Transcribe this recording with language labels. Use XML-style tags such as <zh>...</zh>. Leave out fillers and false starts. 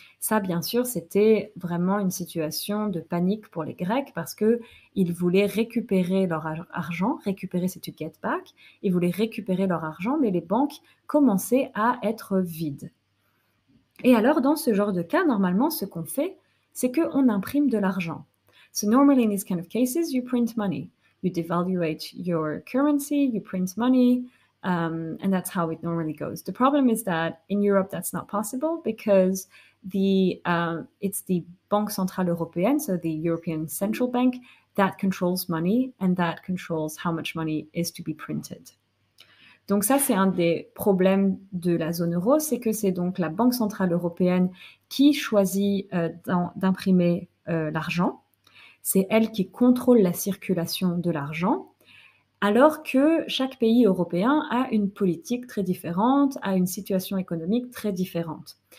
<fr>Ça, bien sûr, c'était vraiment une situation de panique pour les Grecs parce qu'ils voulaient récupérer leur argent, récupérer, c'est</fr> <en>to get back,</en> <fr>ils voulaient récupérer leur argent, mais les banques commençaient à être vides. Et alors, dans ce genre de cas, normalement, ce qu'on fait, c'est qu'on imprime de l'argent.</fr> <en>So normally, in these kind of cases, you print money. You devaluate your currency, you print money, and that's how it normally goes. The problem is that in Europe, that's not possible because it's the Banque Centrale Européenne, so the European Central Bank, that controls money and that controls how much money is to be printed.</en> <fr>Donc ça, c'est un des problèmes de la zone euro, c'est que c'est donc la Banque Centrale Européenne qui choisit d'imprimer l'argent. C'est elle qui contrôle la circulation de l'argent, alors que chaque pays européen a une politique très différente, a une situation économique très différente.</fr>